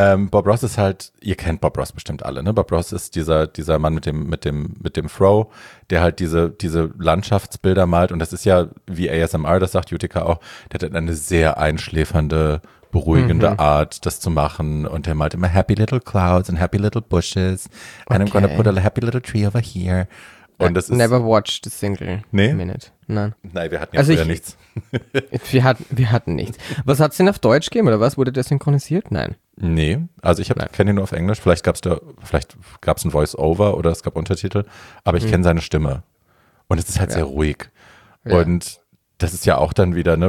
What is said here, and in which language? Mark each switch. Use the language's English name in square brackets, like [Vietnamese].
[German] Bob Ross ist halt, ihr kennt Bob Ross bestimmt alle, ne? Bob Ross ist dieser Mann mit dem Fro, der halt diese Landschaftsbilder malt, und das ist ja, wie ASMR, das sagt Utica auch, der hat eine sehr einschläfernde, beruhigende Art, das zu machen, und der malt immer happy little clouds and happy little bushes, okay. [English] And I'm gonna put a happy little tree over here. [German] Und das ist, [English] never watched a single minute. [German] Nein. Nein, wir hatten ja früher nichts. wir hatten nichts. Was hat es denn auf Deutsch gegeben oder was? Wurde der synchronisiert? Nein. Nee, also ich kenne ihn nur auf Englisch. Vielleicht gab es ein Voice-Over oder es gab Untertitel, aber ich kenne seine Stimme. Und es ist halt sehr ruhig. Ja. Und das ist ja auch dann wieder, ne?